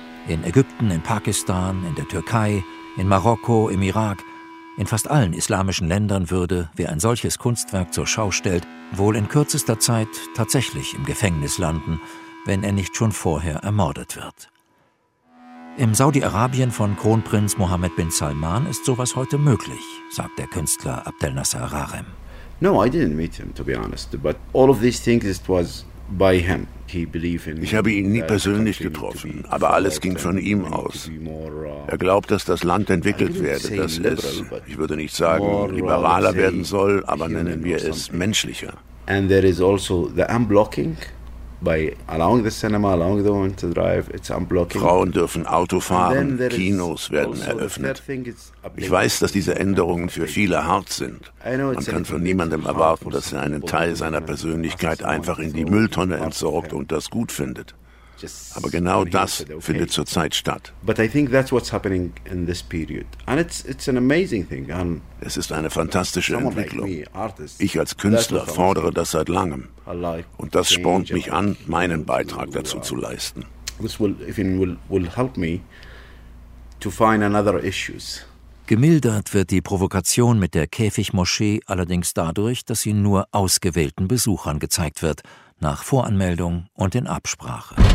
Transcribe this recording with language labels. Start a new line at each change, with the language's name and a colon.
German: In Ägypten, in Pakistan, in der Türkei, in Marokko, im Irak, in fast allen islamischen Ländern würde, wer ein solches Kunstwerk zur Schau stellt, wohl in kürzester Zeit tatsächlich im Gefängnis landen, wenn er nicht schon vorher ermordet wird. Im Saudi-Arabien von Kronprinz Mohammed bin Salman ist sowas heute möglich, sagt der Künstler Abdel Nasser Rahem.
English: No, I didn't meet him, to be honest. But all of these things, it was by him.
German: Ich habe ihn nie persönlich getroffen, aber alles ging von ihm aus. Er glaubt, dass das Land entwickelt werde, dass es, ich würde nicht sagen, liberaler werden soll, aber nennen wir es menschlicher.
English: And there is also the unblocking. By allowing the cinema, allowing the woman to drive, it's unblocking.
German: Frauen dürfen Auto fahren, Kinos werden eröffnet. Ich weiß, dass diese Änderungen für viele hart sind. Man kann von niemandem erwarten, dass er einen Teil seiner Persönlichkeit einfach in die Mülltonne entsorgt und das gut findet. Aber genau das findet zurzeit statt.
English: But I think that's what's happening in this period. And it's an amazing thing.
German: Es ist eine fantastische Entwicklung. Ich als Künstler fordere das seit langem. Und das spornt mich an, meinen Beitrag dazu zu leisten.
English: This will help me to find another issues.
German: Gemildert wird die Provokation mit der Käfigmoschee allerdings dadurch, dass sie nur ausgewählten Besuchern gezeigt wird, nach Voranmeldung und in Absprache.